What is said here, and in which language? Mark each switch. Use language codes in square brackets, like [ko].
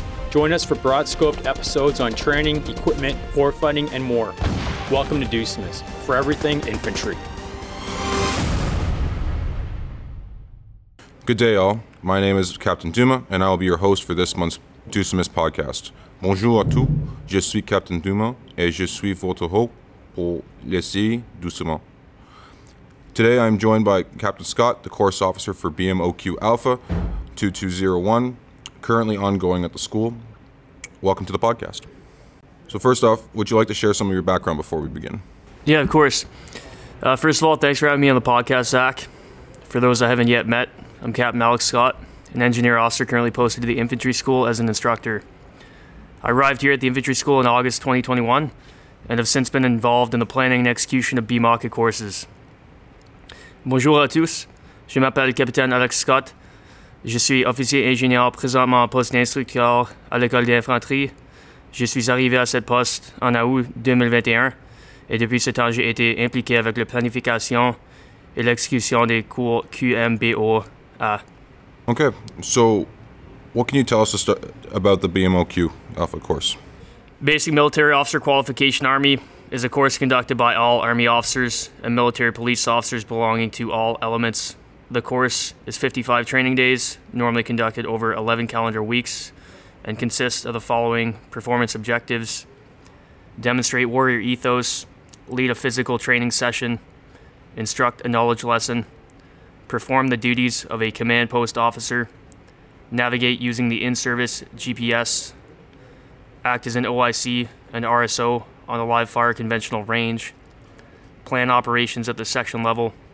[en] Join us for broad-scoped episodes on training, equipment, warfighting, and more. Welcome to Deucimus, for everything infantry. Good day, all. My name is Captain Dumas, and I will be your host for this month's Deucimus podcast. [fr] Bonjour à tous, je suis Captain Dumas, et je suis votre hôte pour les séries Deucimus. [en] Today, I'm joined by Captain Scott, the course officer for Bmoq-A 2201, currently ongoing at the school. Welcome to the podcast. So first off, would you like to share some of your background before we begin? Yeah, of course. First of all, thanks for having me on the podcast, Zach. For those I haven't yet met, I'm Captain Alex Scott, an engineer officer currently posted to the infantry school as an instructor. I arrived here at the infantry school in August 2021 and have since been involved in the planning and execution of Bmoq-A courses. [fr] Bonjour à tous, je m'appelle Capitaine Alex Scott, je suis officier ingénieur présentement en poste d'instructeur à l'école d'infanterie. Je suis arrivé à cette poste en août 2021 et depuis ce temps j'ai été impliqué avec la planification et l'exécution des cours Qmbo-A. [en] Okay, so what can you tell us about the Bmoq Alpha course? Basic Military Officer Qualification Army is a course conducted by all Army officers and military police officers belonging to all elements. The course is 55 training days, normally conducted over 11 calendar weeks, and consists of the following performance objectives: demonstrate warrior ethos, lead a physical training session, instruct a knowledge lesson, perform the duties of a command post officer, navigate using the in-service GPS, act as an OIC and RSO on a live fire conventional range, plan operations at the section level,